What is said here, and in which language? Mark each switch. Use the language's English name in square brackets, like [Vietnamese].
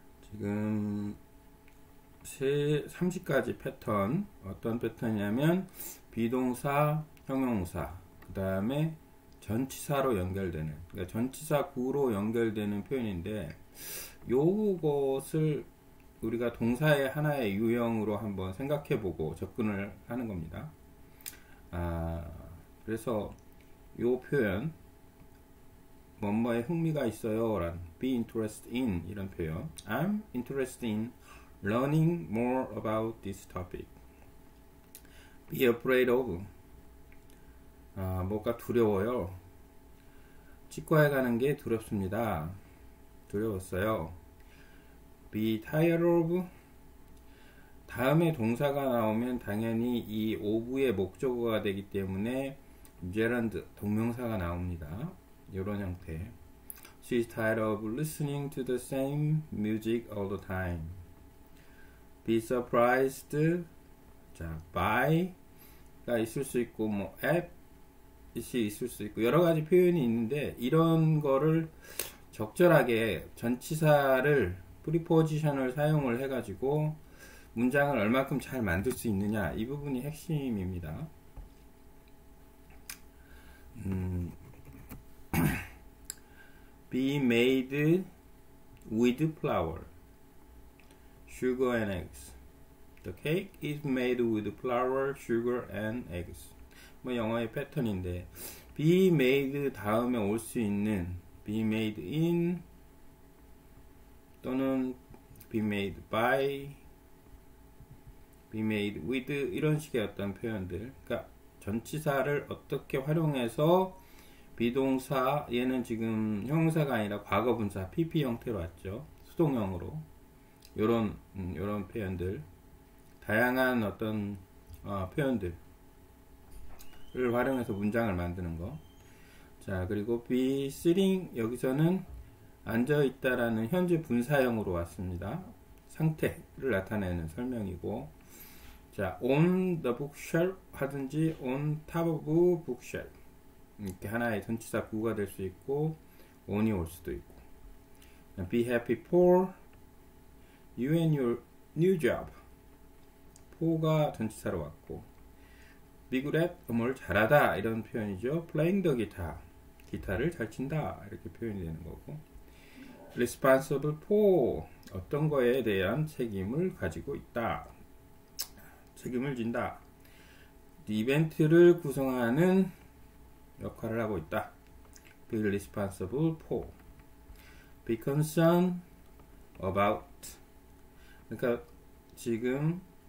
[Korean] 지금 30가지 패턴, 어떤 패턴이냐면 비동사, 형용사, 그 다음에 전치사로 연결되는, 그러니까 전치사 구로 연결되는 표현인데, 요것을 우리가 동사의 하나의 유형으로 한번 생각해보고 접근을 하는 겁니다. 그래서 요 표현, 뭐뭐에 흥미가 있어요 라는, be interested in 이런 표현, [English] I'm interested in learning more about this topic. Be afraid of. [Korean] 뭐가 두려워요. 치과에 가는 게 두렵습니다. 두려웠어요. [English] Be tired of. [Korean] 다음에 동사가 나오면 당연히 이 of의 목적어가 되기 때문에 gerund, 동명사가 나옵니다. 이런 형태. [English] She's tired of listening to the same music all the time. [Korean] Be surprised, 자, by가 있을 수 있고, 뭐, at이 있을 수 있고, 여러 가지 표현이 있는데, 이런 거를 적절하게 전치사를, preposition을 사용을 해가지고, 문장을 얼만큼 잘 만들 수 있느냐, 이 부분이 핵심입니다. [English] be made with flour, sugar and eggs. The cake is made with flour, sugar, and eggs. [Korean] 뭐 영어의 패턴인데, be made 다음에 올수 있는 be made in 또는 be made by, be made with 이런 식의 어떤 표현들. 그러니까 전치사를 어떻게 활용해서 비동사, 얘는 지금 형용사가 아니라 과거분사 PP 형태로 왔죠. 수동형으로 요런 표현들. 다양한 어떤 표현들을 활용해서 문장을 만드는 거. 자, 그리고 be sitting, 여기서는 앉아 있다라는 현재 분사형으로 왔습니다. 상태를 나타내는 설명이고. 자, [English] on the bookshelf [Korean] 하든지 [English] on top of bookshelf. [Korean] 이렇게 하나의 전치사 구가 될수 있고, on이 올 수도 있고. [English] be happy for you and your new job. [Korean] 4가 전치사로 왔고, be good at, 뭘 잘하다, 이런 표현이죠. [English] playing the guitar, [Korean] 기타를 잘 친다, 이렇게 표현이 되는 거고, responsible for, 어떤 거에 대한 책임을 가지고 있다, 책임을 진다, 이벤트를 구성하는 역할을 하고 있다, be responsible for, be concerned about, 그러니까 지금